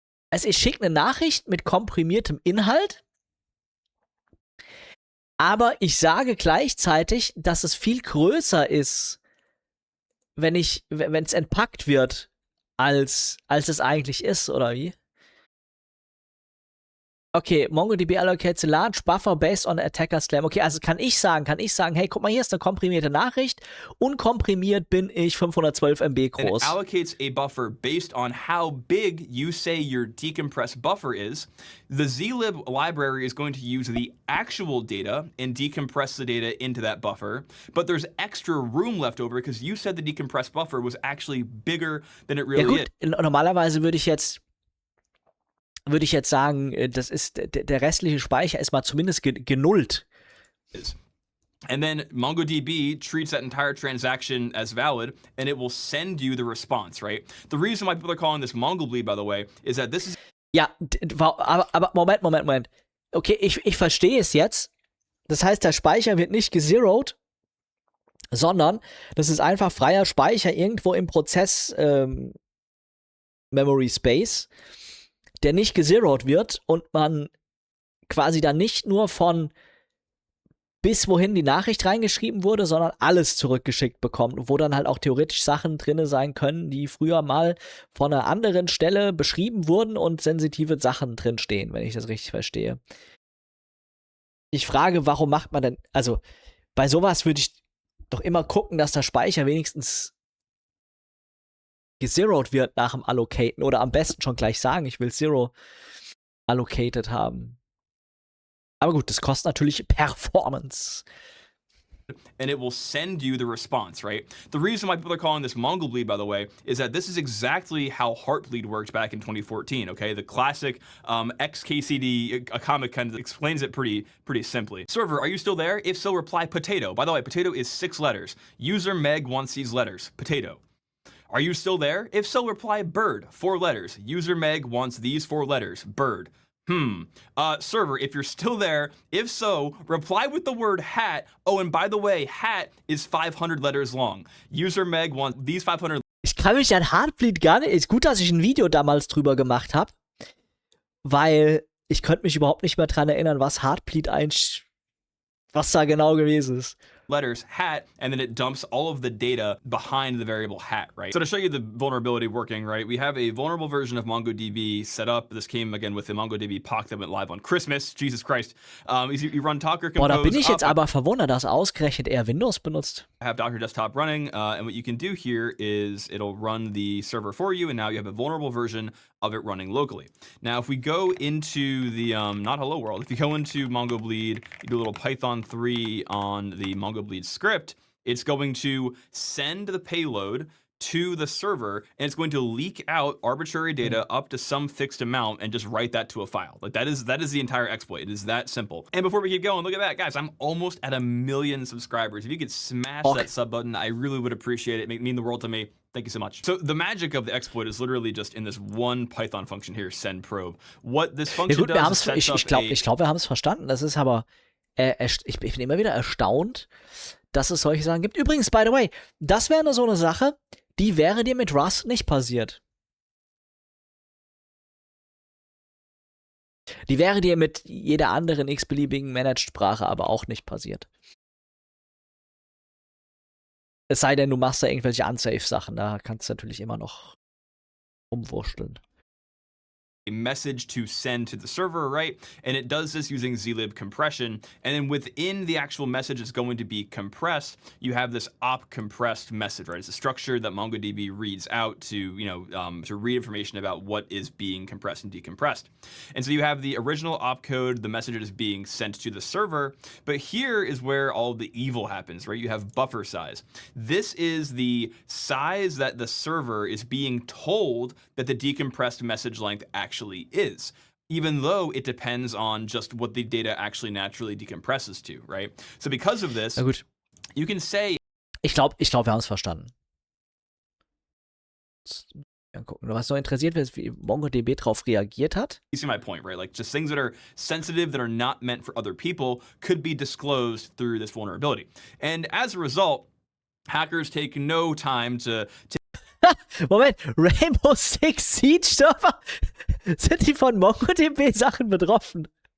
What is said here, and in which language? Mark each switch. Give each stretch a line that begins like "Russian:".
German: Also ich schicke eine Nachricht mit komprimiertem Inhalt, aber ich sage gleichzeitig, dass es viel größer ist, wenn es entpackt wird, als es eigentlich ist, oder wie?
English: Okay, MongoDB allocates a large buffer based on attacker slam.
German: Okay, also kann ich sagen, hey, guck mal, hier ist eine komprimierte Nachricht. Unkomprimiert bin ich 512 MB groß.
English: It allocates a buffer based on how big you say your decompressed buffer is. The zlib library is going to use the actual data and decompress the data into that buffer. But there's extra room left over because you said the decompressed buffer was actually bigger than it really is.
German: Ja gut, normalerweise würde ich jetzt sagen, das ist der restliche Speicher ist mal zumindest genullt.
English: And then MongoDB treats that entire transaction as valid and it will send you the response, right? The reason why people are calling this MongoBleed, by the way, is that this is.
German: Ja, aber Moment. Okay, ich verstehe es jetzt. Das heißt, der Speicher wird nicht gezeroed, sondern das ist einfach freier Speicher irgendwo im Prozess Memory Space, der nicht gezeroed wird und man quasi dann nicht nur von bis wohin die Nachricht reingeschrieben wurde, sondern alles zurückgeschickt bekommt, wo dann halt auch theoretisch Sachen drin sein können, die früher mal von einer anderen Stelle beschrieben wurden und sensitive Sachen drin stehen, wenn ich das richtig verstehe. Ich frage, warum macht man denn, also bei sowas würde ich doch immer gucken, dass der Speicher wenigstens gezeroed wird nach dem Allocaten oder am besten schon gleich sagen, ich will zero allocated haben. Aber gut, das kostet natürlich Performance.
English: And it will send you the response, right? The reason why people are calling this MongoBleed, by the way, is that this is exactly how Heartbleed worked back in 2014, okay? The classic XKCD comic kind of explains it pretty simply. Server, are you still there? If so, reply potato. By the way, potato is 6 letters. User Meg wants these letters. Potato. Are you still there? If so, reply bird, 4 letters. User Meg wants these 4 letters, bird. Server, if you're still there, if so, reply with the word hat. Oh, and by the way, hat is 500 letters long. User Meg wants these 500.
German: Ich kann mich an Heartbleed gar nicht, ist gut, dass ich ein Video damals drüber gemacht habe. weil ich könnte mich überhaupt nicht mehr dran erinnern, was Heartbleed was da genau gewesen ist.
English: Letters hat, and then it dumps all of the data behind the variable hat, right? So to show you the vulnerability working, right, we have a vulnerable version of MongoDB set up. This came again with the MongoDB POC that went live on Christmas. Jesus Christ. You run Docker Compose.
German: Boah, da bin ich jetzt aber verwundert, dass ausgerechnet er Windows benutzt.
English: I have Docker Desktop running, and what you can do here is it'll run the server for you, and now you have a vulnerable version of it running locally. Now, if we go into the, not hello world, if you go into MongoBleed, you do a little Python 3 on the MongoBleed script, it's going to send the payload to the server, and it's going to leak out arbitrary data up to some fixed amount and just write that to a file. Like that is the entire exploit. It is that simple. And before we keep going, look at that, guys. I'm almost at 1 million subscribers. If you could smash that sub button, I really would appreciate it. It mean the world to me. Thank you so much. So the magic of the exploit is literally just in this one Python function here, send probe. What this function does is set up
German: ich glaube, wir haben es verstanden. Das ist aber ich bin immer wieder erstaunt, dass es solche Sachen gibt. Übrigens,
English: by the way,
German: das wäre so eine Sache, die wäre dir mit Rust nicht passiert. Die wäre dir mit jeder anderen x-beliebigen Managed-Sprache aber auch nicht passiert. Es sei denn, du machst da irgendwelche Unsafe-Sachen, da kannst du natürlich immer noch rumwursteln.
English: A message to send to the server, right? And it does this using zlib compression. And then within the actual message is going to be compressed, you have this op compressed message, right? It's a structure that MongoDB reads out to, you know, to read information about what is being compressed and decompressed. And so you have the original opcode, the message that is being sent to the server. But here is where all the evil happens, right? You have buffer size. This is the size that the server is being told that the decompressed message length actually is, even though it depends on just what the data actually naturally decompresses to, right? So because of this, you can say,
German: Ich glaube, wir haben es verstanden. Was noch interessiert wird, wie MongoDB drauf reagiert hat.
English: You see my point, right? Like just things that are sensitive that are not meant for other people could be disclosed through this vulnerability. And as a result, hackers take no time to
German: Moment, Rainbow Six Siege Server? Sind die von MongoDB-Sachen betroffen?